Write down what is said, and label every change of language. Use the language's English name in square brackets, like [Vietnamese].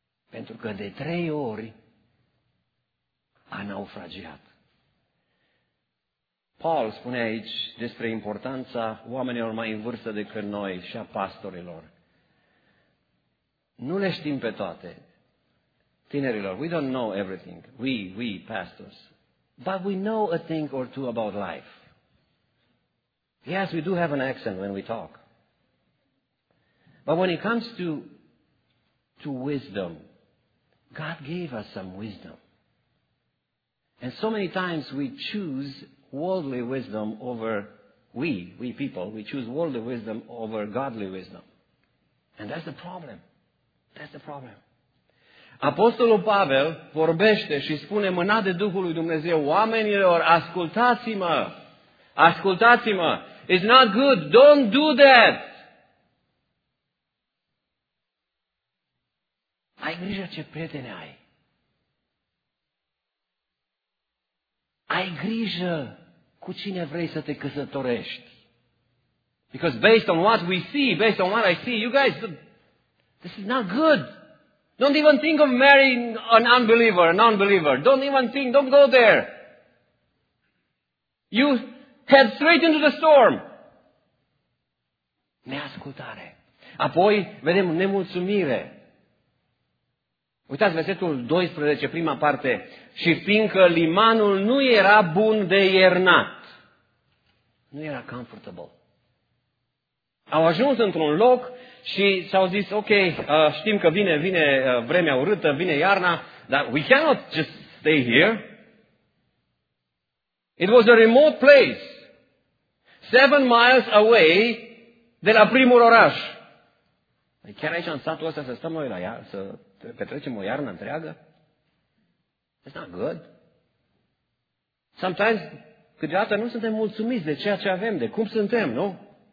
[Romanian] Pentru că de 3 ori a naufragiat. Paul spune aici despre importanța oamenilor mai în vârstă decât noi și a pastorilor. Nu le știm pe toate. Tinerilor, [English] we don't know everything. We pastors. But we know a thing or two about life. Yes, we do have an accent when we talk. But when it comes to wisdom, God gave us some wisdom. And so many times we choose worldly wisdom over we people, we choose worldly wisdom over godly wisdom. And that's the problem. That's the problem. [Romanian] Apostolul Pavel vorbește și spune, mânat de Duhul lui Dumnezeu, oamenilor, ascultați-mă! Ascultați-mă! [English] It's not good! Don't do that! [Romanian] Ai grijă ce prietene ai! Ai grijă cu cine vrei să te căsătorești! [English] Because based on what we see, based on what I see, you guys, this is not good! Don't even think of marrying an unbeliever, a non-believer. Don't even think. Don't go there. You head straight into the storm. [Romanian] Neascultare. Apoi vedem nemulțumire. Uitați versetul 12, prima parte. Și fiindcă limanul nu era bun de iernat. Nu era comfortable. Au ajuns într-un loc și s-au zis, ok, știm că vine vremea urâtă, vine iarna, dar [English] we cannot just stay here. It was a remote place, 7 miles away [Romanian] de la primul oraș. Chiar aici în satul ăsta să stăm noi la iarnă, să petrecem o iarnă întreagă? [English] It's not good. Sometimes, [Romanian] câteodată nu suntem mulțumiți de ceea ce avem, de cum suntem, nu?